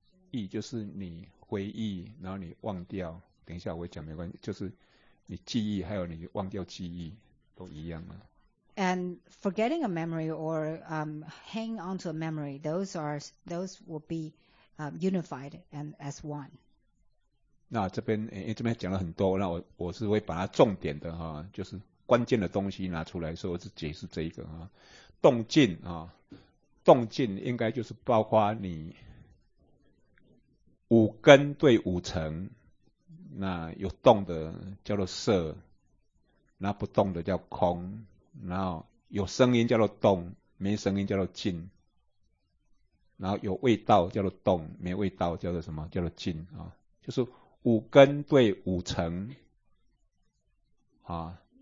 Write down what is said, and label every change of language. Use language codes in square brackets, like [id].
[zh] 意就是你回忆，然后你忘掉。等一下我会讲，没关系，就是你记忆还有你忘掉记忆都一样啊。 [en] And forgetting a memory or hang onto a memory, those will be unified and as one. [zh] 那这边因为这边讲了很多，那我是会把它重点的哈，就是关键的东西拿出来说，是解释这一个啊，动静啊，动静应该就是包括你五根对五尘，那有动的叫做色，那不动的叫空，然后有声音叫做动，没声音叫做静，然后有味道叫做动，没味道叫做什么？叫做静啊，就是五根对五尘啊。